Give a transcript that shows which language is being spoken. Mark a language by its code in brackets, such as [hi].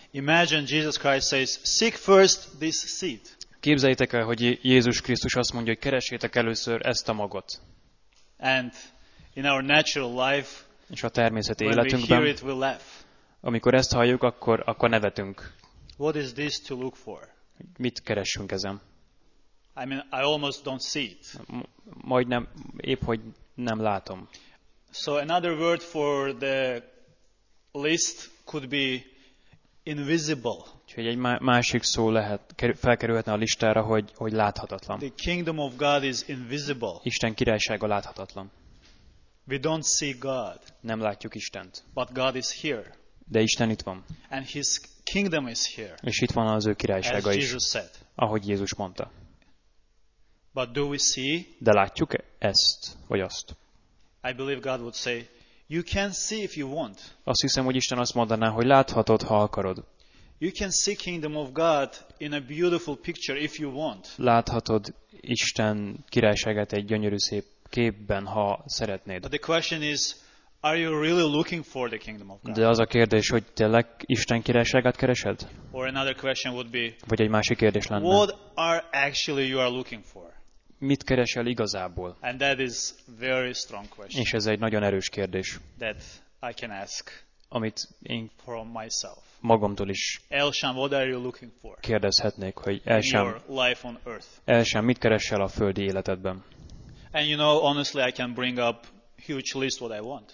[en] Imagine Jesus Christ says, seek first this seed. [hu] Képzeljétek el, hogy Jézus Krisztus azt mondja, hogy keressétek először ezt a magot. [en] And in our natural life, [hu] és a természeti életünkben, amikor ezt halljuk, akkor nevetünk. [en] What is this to look for? [hu] Mit keressünk ezen? [en] I mean, I almost don't see it. [hu] Majdnem, épp hogy nem látom. [en] So another word for the list could be invisible. [hu] Úgyhogy egy másik szó lehet felkerülhetne a listára, hogy láthatatlan. [en] The kingdom of God is invisible. [hu] Isten királysága láthatatlan. [en] We don't see God. [hu] Nem látjuk Istent. [en] But God is here. [hu] De Isten itt van. [en] And his kingdom is here. [hu] És itt van az ő királysága [en] is. As Jesus said. [hu] Ahogy Jézus mondta. [en] But do we see? [hu] De látjuk ezt vagy azt? [en] I believe God would say, you can see if you want. [hu] Azt hiszem, hogy Isten azt mondaná, hogy láthatod, ha akarod. [en] You can see kingdom of God in a beautiful picture if you want. [hu] Láthatod Isten királyságát egy gyönyörű szép képben, ha szeretnéd. [en] But the question is, are you really looking for the kingdom of God? [hu] De az a kérdés, hogy tényleg Isten királyságát keresed? [en] Or another question would be, [hu] vagy egy másik kérdés lenne. [en] What are actually you are looking for? [hu] Mit keresel igazából? [en] And that is very strong question. [hu] És ez egy nagyon erős kérdés. [en] That I can ask. [hu] Amit én [en] from myself. [hu] Magamtól is. [en] Elsham, what are you looking for? [hu] Kérdezhetnék, hogy Elsham, [en] in your life on earth. [hu] Elsham, mit keresel a földi életedben? [en] And you know, honestly, I can bring up huge list what I want.